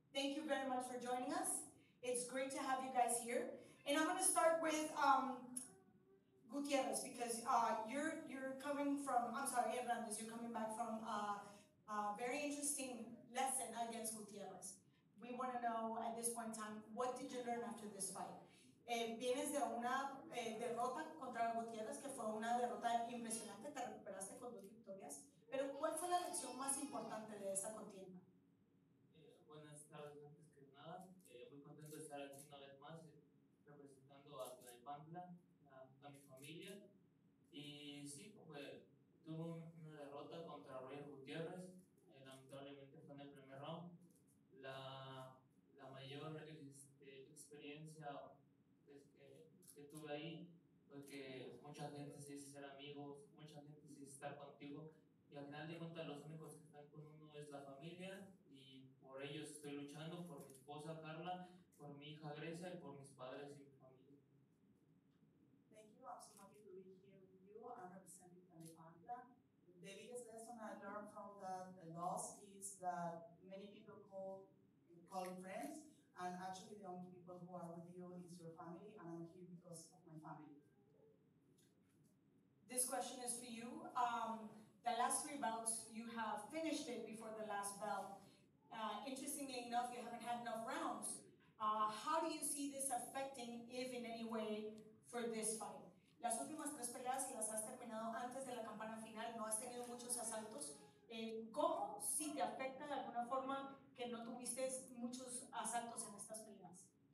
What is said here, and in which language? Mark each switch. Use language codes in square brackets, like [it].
[en] Thank you very much for joining us. It's great to have you guys here. And I'm going to start with Gutierrez, because you're coming from, I'm sorry, Hernandez, you're coming back from a very interesting lesson against Gutierrez. We want to know at this point in time, what did you learn after this fight? [es] Vienes de una derrota contra Gutierrez, que fue una derrota impresionante, te recuperaste con dos victorias. Pero, ¿cuál fue la lección más importante de esa contienda? Buenas tardes, antes que nada. Muy contento de estar aquí una vez más, representando a Tlalpantla, a mi familia. Y sí, tuve una derrota contra Roger Gutierrez, lamentablemente fue en el primer round. La mayor experiencia que tuve ahí fue que mucha gente se hizo ser amigos, mucha gente se hizo estar contigo, y al final de cuentas los únicos que están con uno es la familia, y por ellos estoy luchando, por mi esposa Carla, por mi hija Grecia y por mis padres y mi familia. [en] Thank you, I'm so happy to be here with you. I'm representing Tlalpantla. The biggest lesson I learned from the loss is that many people call friends, and actually the only people who are with you is your family, and I'm here because of my family. This question is for you. The last three bouts, you have finished it before the last bell. Interestingly enough, you haven't had enough rounds. How do you see this affecting, if in any way, for this fight? [es] Las últimas tres peleas las has terminado antes de la campana final, no has tenido muchos asaltos. ¿Cómo si te afecta de alguna forma que no tuviste muchos asaltos en estas peleas?